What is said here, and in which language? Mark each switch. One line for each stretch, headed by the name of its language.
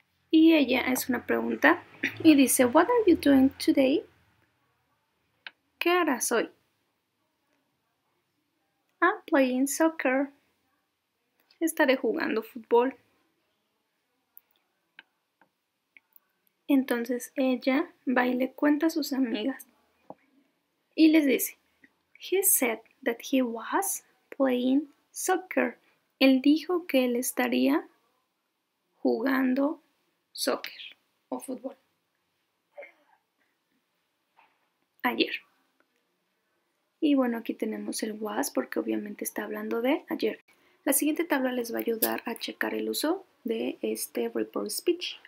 Spanish: Y ella es una pregunta y dice,
English: what are you doing today?
Spanish: ¿Qué harás hoy?
English: I'm playing soccer.
Spanish: Estaré jugando fútbol. Entonces ella va y le cuenta a sus amigas. Y les dice,
English: he said that he was playing soccer.
Spanish: Él dijo que él estaría jugando soccer o fútbol. Ayer. Y bueno, aquí tenemos el was porque obviamente está hablando de ayer. La siguiente tabla les va a ayudar a checar el uso de este report speech.